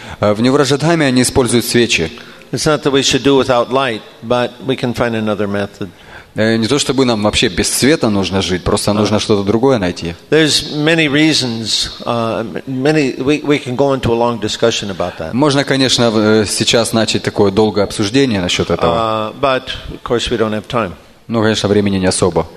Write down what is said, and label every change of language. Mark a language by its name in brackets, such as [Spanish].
[Russian] В Нью-Вражедхаме они используют свечи. [English] It's not that we should do without light, but we can find another method. [Russian] Не то чтобы нам вообще без света нужно жить, просто нужно что-то другое найти. [English] There's many reasons. We can go into a long discussion about that. [Russian] Можно, конечно, сейчас начать такое долгое обсуждение насчет этого. [English] But of course, we don't have time. [Russian] Ну, конечно, времени не особо.